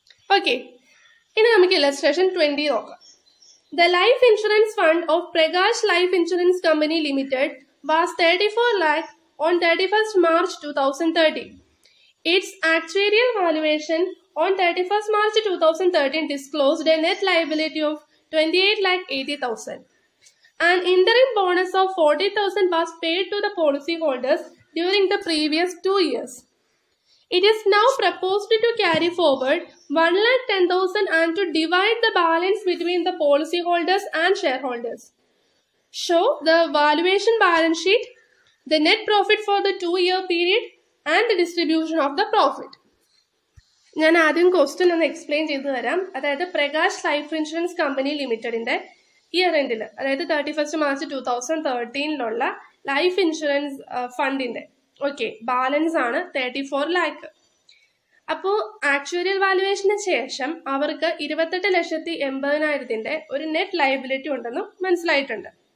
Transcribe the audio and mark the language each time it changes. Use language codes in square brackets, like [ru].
[ml] Okay, ഇനി നമുക്ക് illustration 20 നോക്കാം. [en] The life insurance fund of Prakash life insurance company limited was 34 lakh on 31st March 2013. Its actuarial valuation on 31st March 2013 disclosed a net liability of 28,80,000. An interim bonus of 40,000 was paid to the policy holders during the previous 2 years. It is now proposed to carry forward 110,000 and to divide the balance between the policy holders and shareholders. Show the valuation balance sheet, the net profit for the 2 year period and the distribution of the profit. [ml] ഞാൻ ആദ്യം question ഒന്ന് explain ചെയ്തു തരാം. അതായത് Prakash life insurance company ലിമിറ്റഡിന്റെ year എൻഡിൽ, അതായത് 31st March 2013 life insurance ഫണ്ടിന്റെ ഓക്കെ ബാലൻസ് ആണ് 34 lakh. അപ്പോൾ ആക്ച്വരിയൽ വാലുവേഷന് ശേഷം അവർക്ക് 28,80,000 ഒരു നെറ്റ് ലയബിലിറ്റി ഉണ്ടെന്ന് മനസ്സിലായിട്ടുണ്ട്.